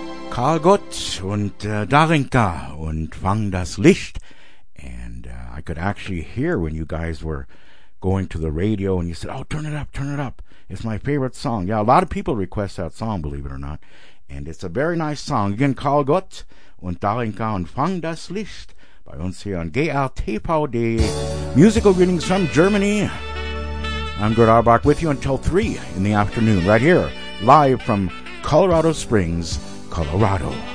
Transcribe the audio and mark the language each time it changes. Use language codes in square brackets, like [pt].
[de] Karl Gott und Darinka und Wang das Licht. [en] And I could actually hear when you guys were going to the radio and you said, oh, turn it up, turn it up. It's my favorite song. Yeah, a lot of people request that song, believe it or not. And it's a very nice song. [de] Again, Karl Gott und Darinka und Wang das Licht bei uns hier on GRTVD. [en] Musical greetings from Germany. I'm Gerd Auerbach with you until 3 in the afternoon, right here, live from Colorado Springs, Colorado.